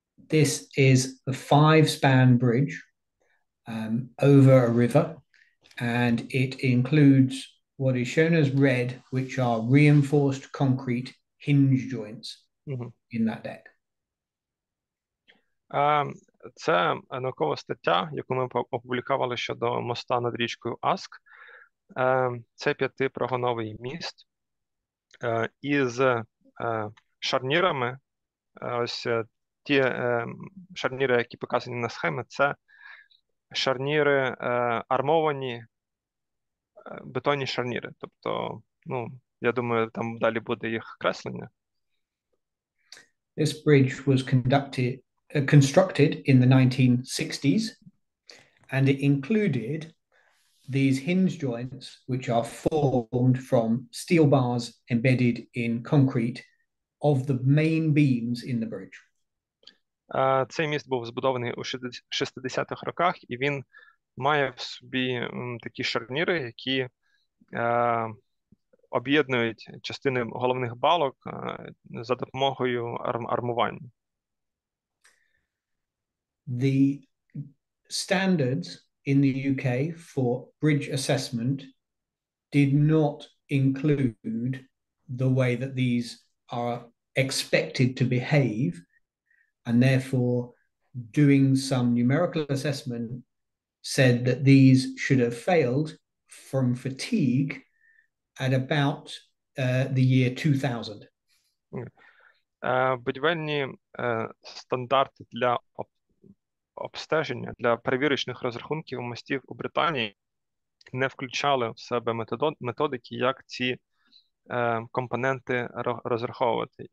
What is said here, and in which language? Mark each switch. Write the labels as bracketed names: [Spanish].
[English] This is the five-span bridge over a river, and it includes what is shown as red, which are reinforced concrete hinge joints in that deck. [Ukrainian] Це наукова стаття, яку ми опублікували щодо моста над річкою Аск. Це п'ятипрогоновий міст із шарнірами. Ось ті шарніри, які показані на схемі, це шарніри армовані, бетонні шарніри. Тобто, ну, я думаю, там далі буде їх креслення. [English] This bridge was constructed in the 1960s, and it included these hinge joints, which are formed from steel bars embedded in concrete of the main beams in the bridge. [Ukrainian] Цей міст був збудований у 60-х роках, і він має в собі такі шарніри, які об'єднують частини головних балок за допомогою армування. [English] The standards in the UK for bridge assessment did not include the way that these are expected to behave, and therefore doing some numerical assessment said that these should have failed from fatigue at about the year 2000. [Ukrainian] Будівельні стандарти для обстеження для перевірочних розрахунків мостів у Британії не включали в себе методики, як ці компоненти розраховувати.